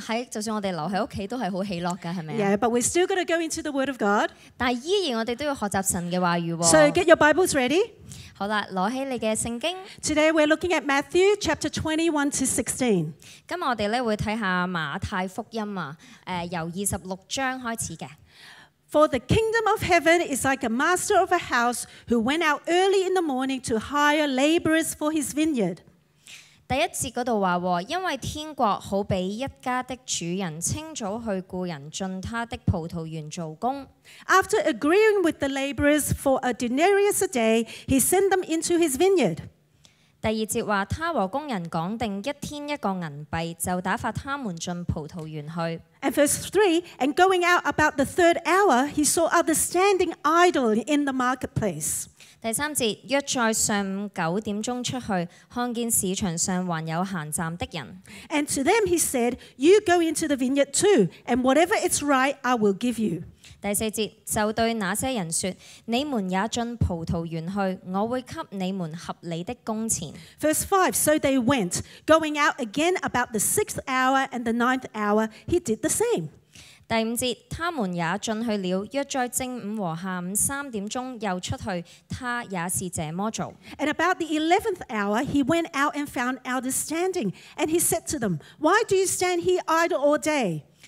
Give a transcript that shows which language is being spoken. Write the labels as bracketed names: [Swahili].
[Chinese] 就算我們留在家裡都是很喜樂的, [English] yeah, but we're still going to go into the Word of God. [Chinese] 但依然我們都要學習神的話語, [English] so get your Bibles ready. [Chinese] 好了,拿起你的聖經。 [English] Today we're looking at Matthew chapter 21 to 16. [Chinese] 今天我們會看一下馬太福音, 由26章開始的。 [English] For the kingdom of heaven is like a master of a house who went out early in the morning to hire laborers for his vineyard. [Chinese] 第一節那裡說, 因為天國好比一家的主人清早去僱人進他的葡萄園做工。 [English] After agreeing with the laborers for a denarius a day, he sent them into his vineyard. [Chinese] 第二節說, 他和工人講定一天一個銀幣, 就打發他們進葡萄園去。 [English] And verse 3, and going out about the third hour, he saw others standing idle in the marketplace. [Chinese] 第三節,約在上午九點鐘出去, 看見市場上還有閒站的人。 [English] And to them he said, you go into the vineyard too, and whatever it's right, I will give you. [Chinese] 第四節,就對那些人說, 你們也進葡萄園去, 我會給你們合理的工錢。 [English] Verse 5, so they went, going out again about the sixth hour and the ninth hour, he did the same. [Chinese] 第五節,他們也進去了,約在正午和下午三點鐘又出去,他也是這麼做。 [English] And about the 11th hour, he went out and found others standing, and he said to them, why do you stand here idle all day?